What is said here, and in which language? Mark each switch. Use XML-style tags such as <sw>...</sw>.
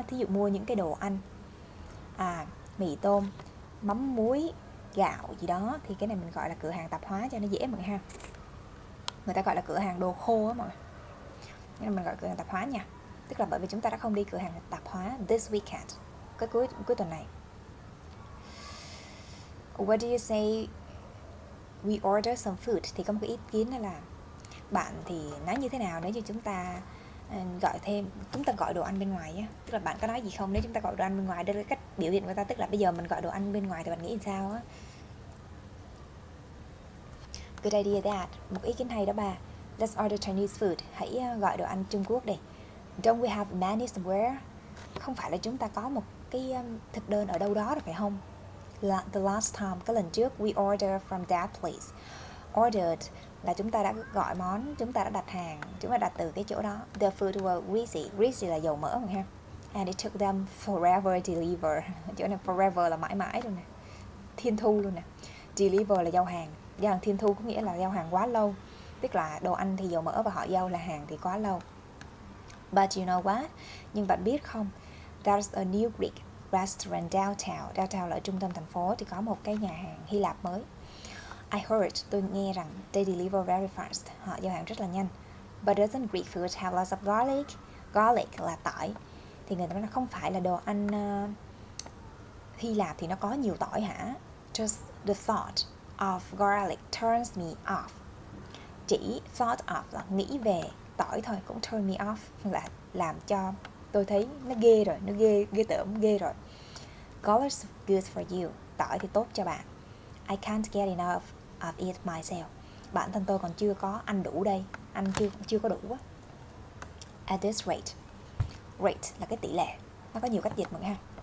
<vi>Thí dụ mua những cái đồ ăn, mì tôm, mắm muối, gạo gì đó, thì cái này mình gọi là cửa hàng tạp hóa cho nó dễ mọi người ha. Người ta gọi là cửa hàng đồ khô á mọi người. Nên là mình gọi cửa hàng tạp hóa nha. Tức là bởi vì chúng ta đã không đi cửa hàng tạp hóa</vi> <en>this weekend,</en> <vi>cái cuối tuần này.</vi> <en>What do you say we order some food?</en> <vi>Thì có một cái ý kiến là bạn thì nói như thế nào nếu như chúng ta gọi thêm, chúng ta gọi đồ ăn bên ngoài á. Tức là bạn có nói gì không nếu chúng ta gọi đồ ăn bên ngoài? Đây là cách biểu hiện của ta. Tức là bây giờ mình gọi đồ ăn bên ngoài thì bạn nghĩ sao á?</vi> <en>Good idea that.</en> <vi>Một ý kiến hay đó bà.</vi> <en>Let's order Chinese food.</en> <vi>Hãy gọi đồ ăn Trung Quốc đi.</vi> <en>Don't we have menu somewhere?</en> <vi>Không phải là chúng ta có một cái thực đơn ở đâu đó rồi phải không?</vi> <en>The last time,</en> <vi>cái lần trước,</vi> <en>we order from that place.</en> <vi>Ordered là chúng ta đã gọi món, chúng ta đã đặt hàng, chúng ta đặt từ cái chỗ đó.</vi> <en>The food was greasy.</en> <vi>Greasy là dầu mỡ mà ha.</vi> <en>And it took them forever to deliver.</en> <vi>Chỗ này forever là mãi mãi luôn nè. Thiên thu luôn nè. Deliver là giao hàng. Giao hàng thiên thu có nghĩa là giao hàng quá lâu. Tức là đồ ăn thì dầu mỡ và họ giao là hàng thì quá lâu.</vi> <en>But you know what?</en> <vi>Nhưng bạn biết không?</vi> <en>There's a new Greek restaurant downtown.</en> <vi>Downtown là ở trung tâm thành phố, thì có một cái nhà hàng Hy Lạp mới.</vi> <en>I heard,</en> <vi>tôi nghe rằng</vi> <en>they deliver very fast.</en> <vi>Họ giao hàng rất là nhanh.</vi> <en>But doesn't Greek food have lots of garlic?</en> <vi>Garlic là tỏi. Thì người ta nói là không phải là đồ ăn Hy Lạp thì nó có nhiều tỏi hả?</vi> <en>Just the thought of garlic turns me off.</en> <vi>Chỉ thought of là nghĩ về tỏi thôi cũng</vi> <en>turn me off,</en> <vi>là làm cho tôi thấy nó ghê rồi, nó ghê, ghê tởm, ghê rồi.</vi> <en>Garlic's good for you.</en> <vi>Tỏi thì tốt cho bạn.</vi> <en>I can't get enough of it myself.</en> <vi>Bản thân tôi còn chưa có ăn đủ đây. Ăn chưa có đủ á.</vi> <en>At this rate.</en> <vi>Rate là cái tỷ lệ. Nó có nhiều cách dịch mọi người ha.</vi>